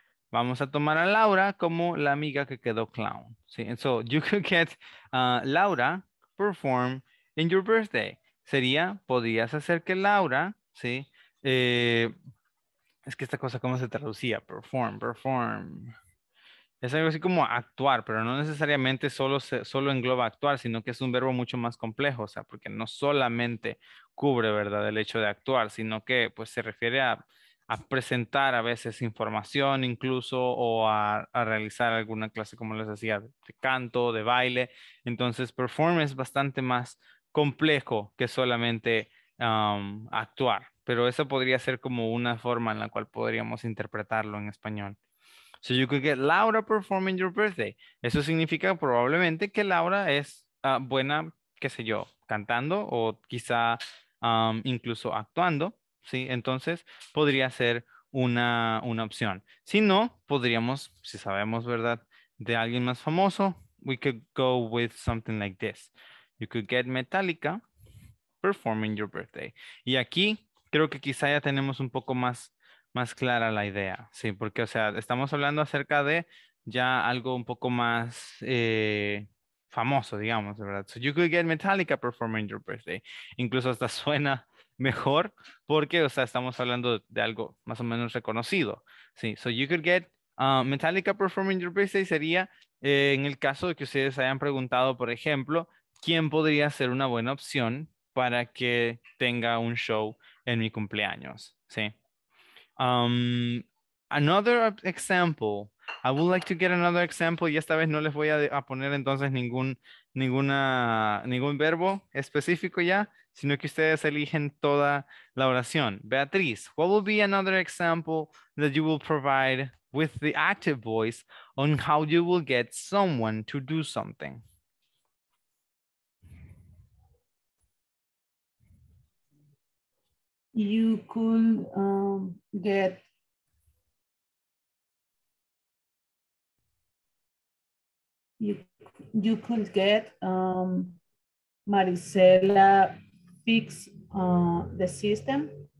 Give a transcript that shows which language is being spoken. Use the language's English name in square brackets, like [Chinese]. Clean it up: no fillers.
[Spanish] Vamos a tomar a Laura como la amiga que quedó clown. ¿Sí? [English] And so you could get Laura perform in your birthday. [Spanish] Sería, podrías hacer que Laura, ¿sí? Es que esta cosa, ¿cómo se traducía? [English] Perform. [Spanish] Es algo así como actuar, pero no necesariamente solo engloba actuar, sino que es un verbo mucho más complejo, o sea, porque no solamente cubre, ¿verdad?, el hecho de actuar, sino que pues se refiere a presentar a veces información incluso, o a realizar alguna clase, como les decía, de canto, de baile. Entonces, perform es bastante más complejo que solamente actuar, pero esa podría ser como una forma en la cual podríamos interpretarlo en español. [English] So you could get Laura performing your birthday. [Spanish] Eso significa probablemente que Laura es buena, qué sé yo, cantando o quizá incluso actuando, ¿sí? Entonces podría ser una opción. Si no, podríamos, si sabemos, ¿verdad?, de alguien más famoso, [English] we could go with something like this. You could get Metallica performing your birthday. [Spanish] Y aquí creo que quizá ya tenemos un poco más clara la idea, sí, porque, o sea, estamos hablando acerca de ya algo un poco más famoso, digamos, ¿verdad? [English] So you could get Metallica performing your birthday. [Spanish] Incluso hasta suena mejor porque, o sea, estamos hablando de algo más o menos reconocido, sí. [English] So you could get Metallica performing your birthday [Spanish] sería en el caso de que ustedes hayan preguntado, por ejemplo, ¿quién podría ser una buena opción para que tenga un show en mi cumpleaños? Sí. [English] Another example. I would like to get another example. [Spanish] Y esta vez no les voy a poner entonces ningún verbo específico ya, sino que ustedes eligen toda la oración. [English] Beatriz, what will be another example that you will provide with the active voice on how you will get someone to do something? You could get you could get Maricela fix the system.